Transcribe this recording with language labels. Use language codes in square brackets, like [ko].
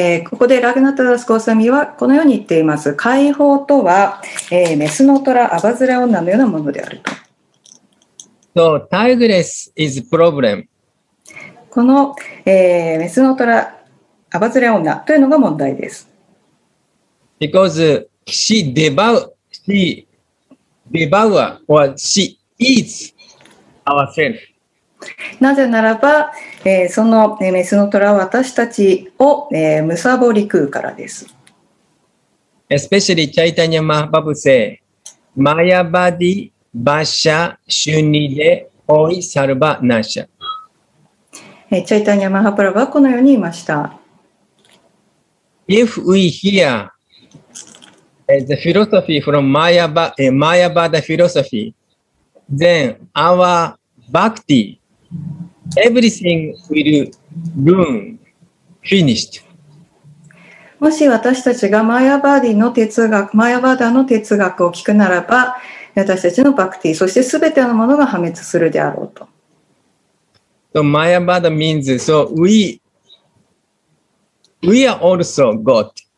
[ja] ここでラグナタダスゴーサミはこのように言っています。解放とは、メスの虎アバズラ女のようなものであると。 [en] So timeless is problem [ja] この、メスの虎アバズレ女というのが問題です。 [en] Because she devour, she devour or she eats ourselves. [ja] なぜならば、そのメスの虎は私たちを、むさぼり食うからです。 [en] Especially Chaitanya Mahaprabhu say, [bn] Maya Badi Basha Shunide Oi Sarva Nasha. [ja] チャイタニア・マハプラブはこのように言いました。 [en] If we hear the philosophy from Mayavada philosophy, then our bhakti, everything will ruin, finished. [ja] もし私たちがマヤバディの哲学、マヤバダの哲学を聞くならば、私たちのバクティ、そして全てのものが破滅するであろうと。 [en] So Maya Bada means, so we are also God.